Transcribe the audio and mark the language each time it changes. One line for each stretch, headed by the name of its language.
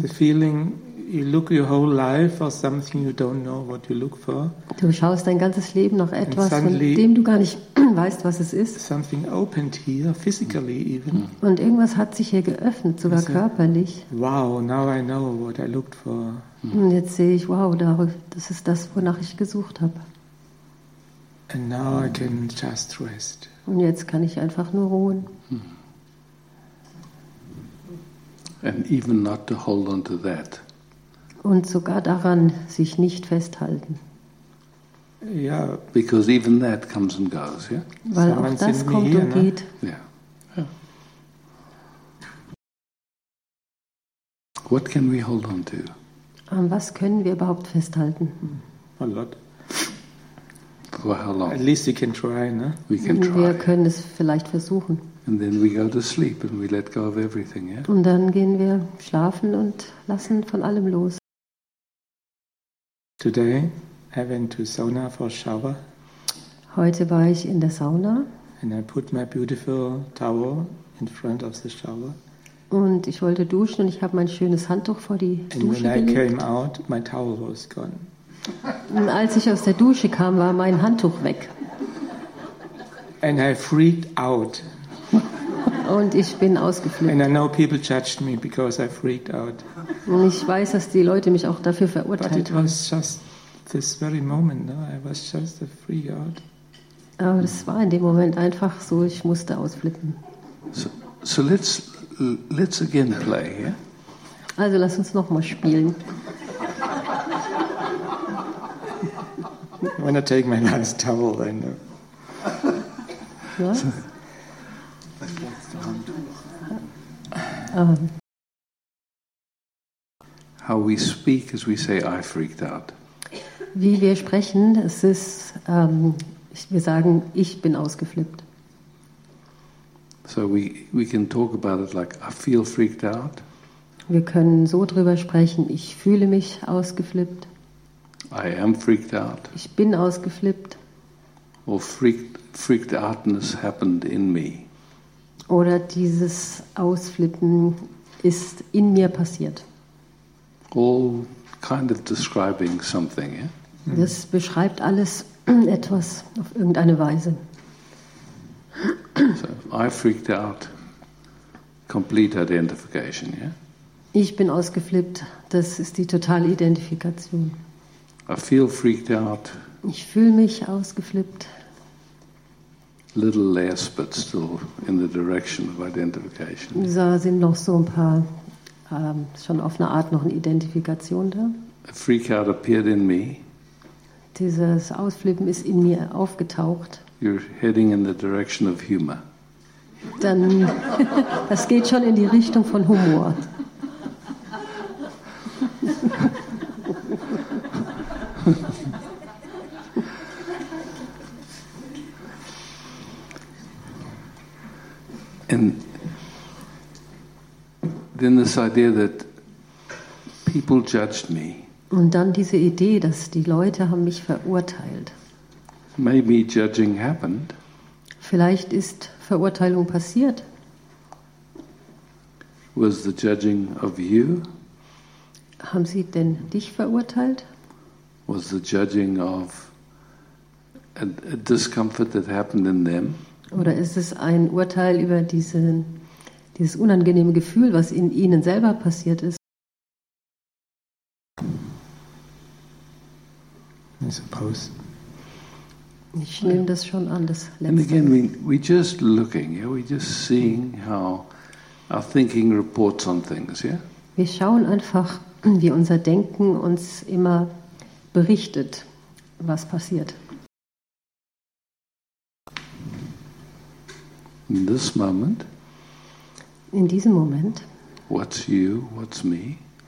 English: The feeling you look your whole life for something you don't know what you look for.
German: Du schaust dein ganzes Leben nach etwas,
English: suddenly,
German: von dem du gar nicht weißt, was es ist.
English: Something opened here, physically even.
German: Und irgendwas hat sich hier geöffnet, sogar körperlich.
English: Wow, now I know what I looked for.
German: Und jetzt sehe ich, wow, das ist das, wonach ich gesucht habe.
English: And now I can just rest.
German: Und jetzt kann ich einfach nur ruhen.
English: And even not to hold on to that.
German: Und sogar daran sich nicht festhalten. Ja,
English: because even that comes and goes, yeah?
German: Weil so auch das kommt hier, und ne? geht.
English: Yeah. Yeah. What can we hold on to?
German: An was können wir überhaupt festhalten?
English: A lot. For how long? At least we can try, ne? We can try.
German: Wir können es vielleicht versuchen.
English: And then we go to sleep and we let go of everything, yeah?
German: Und dann gehen wir schlafen und lassen von allem los.
English: Today I went to sauna for a shower.
German: Heute war ich in der Sauna.
English: And I put my beautiful towel in front of the shower.
German: Und ich wollte duschen und ich habe mein schönes Handtuch vor die
English: and
German: Dusche
English: when I
German: gelegt.
English: Came out, my towel was gone.
German: Und als ich aus der Dusche kam, war mein Handtuch weg.
English: And I freaked out.
German: Und ich bin ausgeflippt.
English: And I know people judged me because I freaked out.
German: Und ich weiß, dass die Leute mich auch dafür verurteilt haben.
English: But it was just this very moment, no? I was just a freak out.
German: Aber das war in dem Moment einfach so, ich musste ausflippen.
English: So let's again play, yeah?
German: Also lass uns nochmal spielen.
English: When I take my last towel, I know.
German: Was?
English: How we speak as we say I freaked out.
German: Wie wir sprechen, es ist, wir sagen, ich bin ausgeflippt.
English: So we can talk about it like I feel freaked out.
German: Wir können so drüber sprechen, ich fühle mich ausgeflippt.
English: I am freaked out.
German: Ich bin ausgeflippt.
English: Or freaked outness happened in me.
German: Oder dieses Ausflippen ist in mir passiert.
English: All kind of describing something, yeah?
German: Das beschreibt alles etwas auf irgendeine Weise.
English: So, I freaked out, complete identification, yeah?
German: Ich bin ausgeflippt, das ist die totale Identifikation.
English: I feel freaked out.
German: Ich fühle mich ausgeflippt.
English: Little less, but still in the direction of identification.
German: Da sind noch so ein paar, schon auf eine Art noch eine Identifikation da.
English: A freak out appeared in me.
German: Dieses Ausflippen ist in mir aufgetaucht.
English: You're heading in the direction of humor.
German: Dann, das geht schon in die Richtung von Humor.
English: And then this idea that people judged me.
German: Und dann diese Idee, dass die Leute haben mich verurteilt.
English: Maybe judging happened.
German: Vielleicht ist Verurteilung passiert.
English: Was the judging of you?
German: Haben sie denn dich verurteilt?
English: Was the judging of a discomfort that happened in them?
German: Oder ist es ein Urteil über dieses unangenehme Gefühl, was in ihnen selber passiert ist?
English: I suppose.
German: Ich nehme das schon an, das letzte.
English: And again, we're just looking, yeah? We're just seeing how our thinking reports on things, yeah?
German: Wir schauen einfach, wie unser Denken uns immer berichtet, was passiert.
English: In this moment.
German: In diesem Moment.
English: What's you? What's me?